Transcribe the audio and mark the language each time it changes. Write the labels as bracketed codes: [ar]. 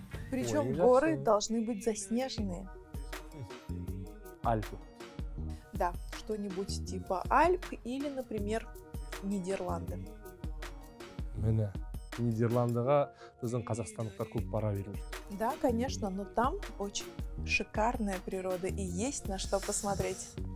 [ru] Причем горы должны быть заснеженные. Альпы. Да, что-нибудь типа Альп или, например, Нидерланды. [kk] Міне, Нидерландыға біздің қазақстандықтар көп бара бермейді. [ru] Да, конечно, но там очень шикарная природа и есть на что посмотреть.